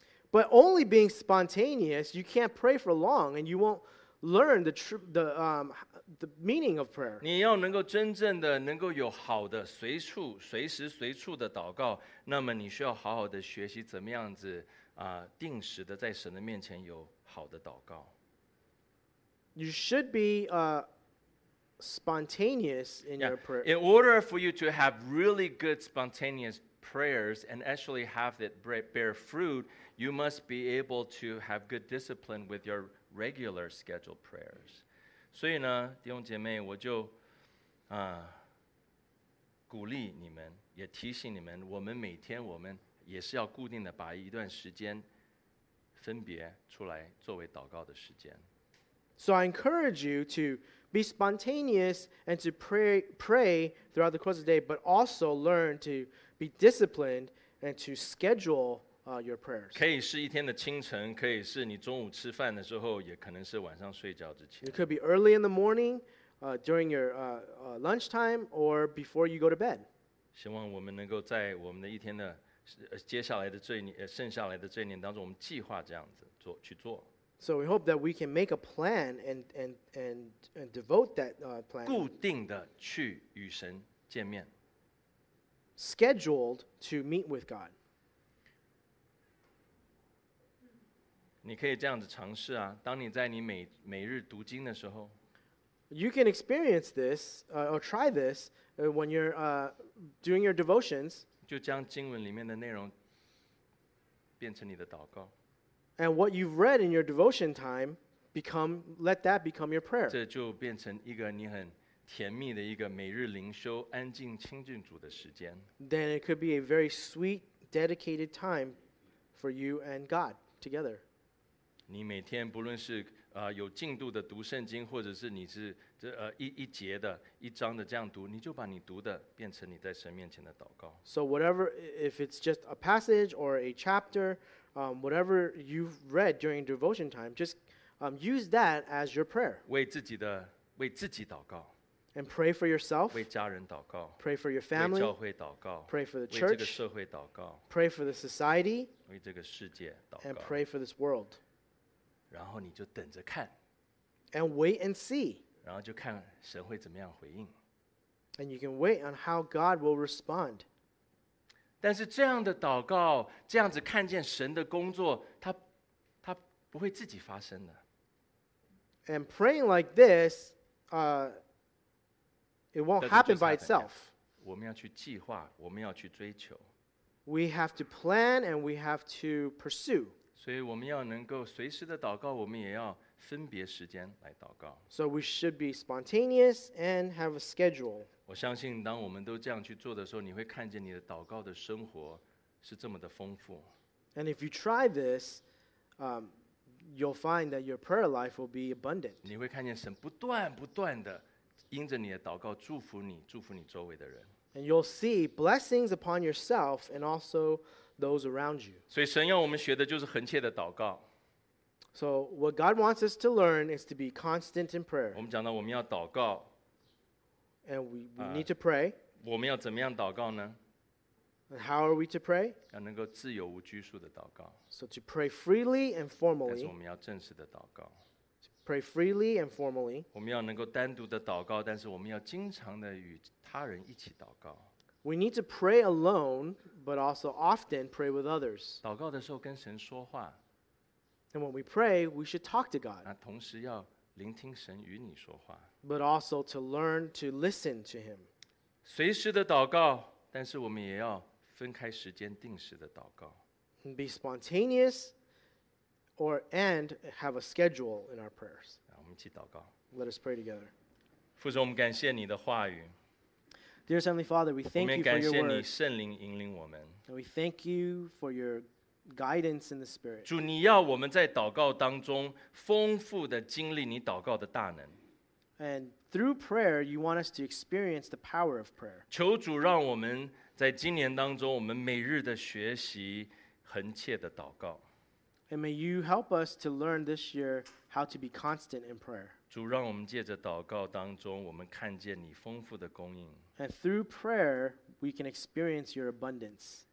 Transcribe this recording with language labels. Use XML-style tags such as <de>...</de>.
<en>But only being spontaneous, you can't pray for long and you won't learn the meaning of prayer.</en> <zh>你要能够真正的能够有好的随处随时随处的祷告，那么你需要好好的学习怎么样子定时的在神的面前有好的祷告。</zh> <en>You should be spontaneous in your prayer. In order for you to have really good spontaneous prayers and actually have it bear fruit, you must be able to have good discipline with your regular scheduled prayers.</en> <zh>所以呢，弟兄姐妹，我就鼓励你们，也提醒你们，我们每天我们也是要固定的把一段时间分别出来作为祷告的时间。</zh> <en>So I encourage you to be spontaneous and to pray throughout the course of the day, but also learn to be disciplined and to schedule your prayers.</en> <zh>可以是一天的清晨，可以是你中午吃饭的时候，也可能是晚上睡觉之前。</zh> <en>It could be early in the morning, during your lunchtime, or before you go to bed.</en> <zh>希望我们能够在我们的一天的接下来的罪年，剩下来的罪年当中，我们计划这样子做去做。</zh> <en>So we hope that we can make a plan and devote that plan.</en> <zh>固定的去与神见面。</zh> <en>Scheduled to meet with God.</en> <zh>你可以这样子尝试啊，当你在你每日读经的时候。</zh> <en>You can experience this or try this when you're doing your devotions.</en> <zh>就将经文里面的内容变成你的祷告。</zh> <en>And what you've read in your devotion time, let that become your prayer.</en> <zh>这就变成一个你很甜蜜的一个每日灵修、安静亲近主的时间。</zh> <en>Then it could be a very sweet, dedicated time for you and God together.</en> <zh>你每天不论是有进度的读圣经，或者是你是一节的一章的这样读，你就把你读的变成你在神面前的祷告。</zh> <en>So whatever, if it's just a passage or a chapter. Whatever you've read during devotion time, just use that as your prayer.</en> <zh>为自己祷告。</zh> <en>And pray for yourself.</en> <zh>为家人祷告。</zh> <en>Pray for your family.</en> <zh>为教会祷告。</zh> <en>Pray for the church.</en> <zh>为这个社会祷告。</zh> <en>Pray for the society.</en> <zh>为这个世界祷告。</zh> <en>And pray for this world.</en> <zh>然后你就等着看。</zh> <en>And wait and see.</en> <zh>然后就看神会怎么样回应。</zh> <en>And you can wait on how God will respond.</en> <zh>但是这样的祷告，这样子看见神的工作，它不会自己发生的。</zh> <en>And praying like this, it won't happen by itself.</en> <zh>我们要去计划，我们要去追求。</zh> <en>We have to plan and we have to pursue.</en> <zh>所以我们要能够随时的祷告，我们也要分别时间来祷告。</zh> <en>So we should be spontaneous and have a schedule.</en> <zh>我相信当我们都这样去做的时候，你会看见你的祷告的生活是这么的丰富。</zh> <en>And if you try this, you'll find that your prayer life will be abundant.</en> <zh>你会看见神不断不断的因着你的祷告祝福你，祝福你周围的人。</zh> <en>And you'll see blessings upon yourself and also those around you.</en> <zh>所以神要我们学的就是恒切的祷告。</zh> <en>So what God wants us to learn is to be constant in prayer.</en> <zh>我们讲到我们要祷告。</zh> <en>And we need to pray.</en> <zh>我们要怎么样祷告呢？</zh> <en>And how are we to pray?</en> <zh>要能够自由无拘束的祷告。</zh> <en>So to pray freely and formally.</en> <zh>但是我们要正式的祷告。</zh> <en>Pray freely and formally.</en> <zh>我们要能够单独的祷告，但是我们要经常的与他人一起祷告。</zh> <en>We need to pray alone, but also often pray with others.</en> <zh>祷告的时候跟神说话。</zh> <en>And when we pray, we should talk to God.</en> <zh>同时要聆听神与你说话。</zh> <en>But also to learn to listen to him.</en> <zh>随时的祷告，但是我们也要分开时间定时的祷告。</zh> <en>Be spontaneous and have a schedule in our prayers.</en> <zh>我们一起祷告。</zh> <en>Let us pray together.</en> <zh>父神，我们感谢你的话语。</zh> <en>Dear Heavenly Father, we thank you for your word.</en> <zh>我们感谢你圣灵引领我们。</zh> <en>And we thank you for your guidance in the Spirit.</en> <zh>主，你要我们在祷告当中丰富的经历你祷告的大能。</zh> <en>And through prayer, you want us to experience the power of prayer.</en> <zh>求主让我们在今年当中，我们每日的学习恒切的祷告。</zh> <en>And may you help us to learn this year how to be constant in prayer.</en> <zh>主让我们借着祷告当中，我们看见你丰富的供应。</zh> <en>And through prayer, we can experience your abundance.</en>